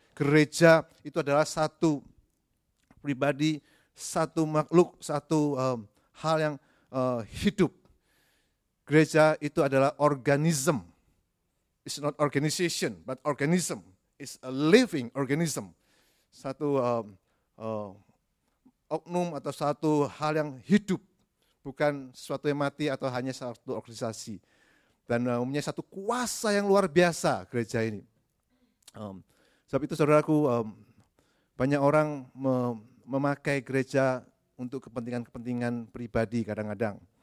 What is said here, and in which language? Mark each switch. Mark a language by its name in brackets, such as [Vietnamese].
[Indonesian] Gereja itu adalah satu pribadi, satu makhluk, satu hal yang hidup. Gereja itu adalah organism. [English] It's not organization, but organism. It's a living organism. [Indonesian] Satu oknum atau satu hal yang hidup, bukan sesuatu yang mati atau hanya satu organisasi. Dan mempunyai satu kuasa yang luar biasa gereja ini. Sebab itu saudaraku, banyak orang memakai gereja untuk kepentingan-kepentingan pribadi kadang-kadang.